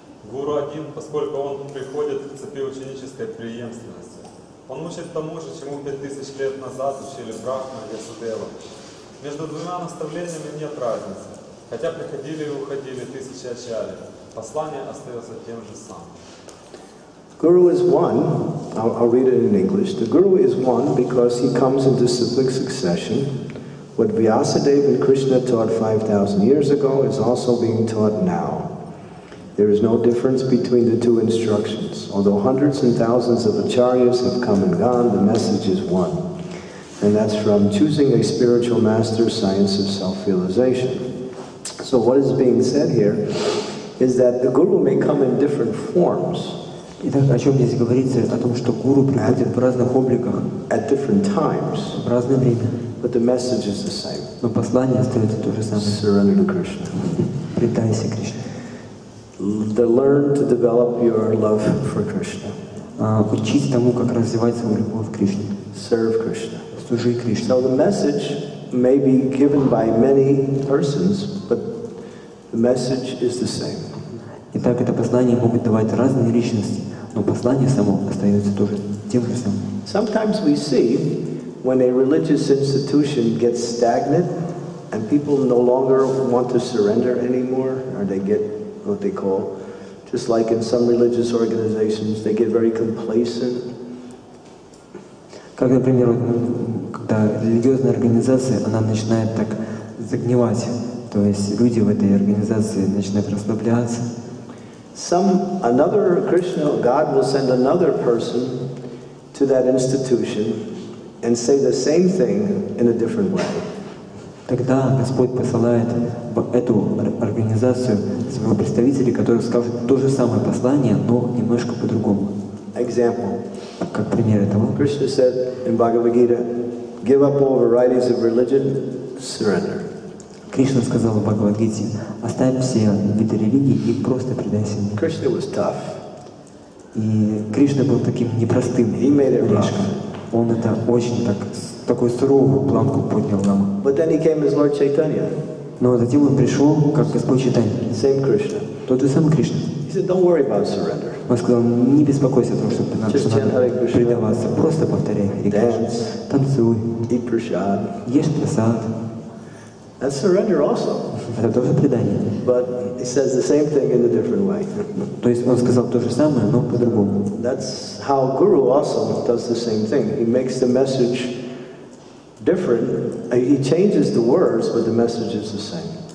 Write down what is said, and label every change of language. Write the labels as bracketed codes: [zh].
[ru] Гуру один, поскольку он приходит в цепи ученической преемственности. Он учит тому же, чему 5000 лет назад учили Брахма и Ясудева. Между двумя наставлениями нет разницы. Хотя приходили и уходили тысячи ачарий, послание остается тем же самым. [en] Guru is one. I'll read it in English. The Guru is one because he comes in disciplic succession. What Vyasadeva and Krishna taught 5,000 years ago is also being taught now. There is no difference between the two instructions. Although hundreds and thousands of acharyas have come and gone, the message is one. And that's from choosing a spiritual master, science of self-realization. So what is being said here is that the Guru may come in different forms. [ru] Итак, о чем здесь говорится? О том, что Гуру приходит в разных обликах. [en] At different times. [ru] В разное время. [en] But the message is the same. [ru] Но послание остается то же самое. [en] Surrender to Krishna. [ru] Предайся Кришне. [en] To learn to develop your love for Krishna. [ru] Учить тому, как развивать свою любовь к Кришне. [en] Serve Krishna. [ru] Служи Кришне. [en] So the message may be given by many persons, but the message is the same. [ru] Итак, это послание могут давать разные личности, но послание само остается тоже тем же самым. [en] Sometimes we see when a religious institution gets stagnant and people no longer want to surrender anymore, or they get what they call, just like in some religious organizations, they get very complacent. [ru] Как, например, когда религиозная организация, она начинает так загнивать, то есть люди в этой организации начинают расслабляться. [en] Another Krishna, God will send another person to that institution and say the same thing in a different way. [ru] Тогда Господь посылает в эту организацию своего представителя, который скажет то же самое послание, но немножко по-другому. [en] Example. [ru] Как пример этого. [en] Krishna said in Bhagavad Gita, Give up all varieties of religion, surrender. [ru] Кришна сказал Бхагавад-гите: "Оставь все виды религии и просто предайся мне". [en] Krishna was tough. [ru] И Кришна был таким непростым орешком. Он это очень так, такой суровую планку поднял нам. [en] But then he came as Lord Chaitanya. [ru] Но затем он пришел как Господь Чайтанья. [en] Same Krishna. [ru] Тот же самый Кришна. [en] He said, "Don't worry about surrender". [ru] Он сказал: "Не беспокойся о том, что ты нам что надо предаваться. Просто повторяй Hare Krishna. Танцуй. [en] Eat prasad. [ru] Ешь прасад". [en] That's surrender also. [ru] Это тоже предание. [en] But he says the same thing in a different way. [ru] То есть он сказал то же самое, но по-другому. [en] That's how Guru also does the same thing. He makes the message different. He changes the words, but the message is the same.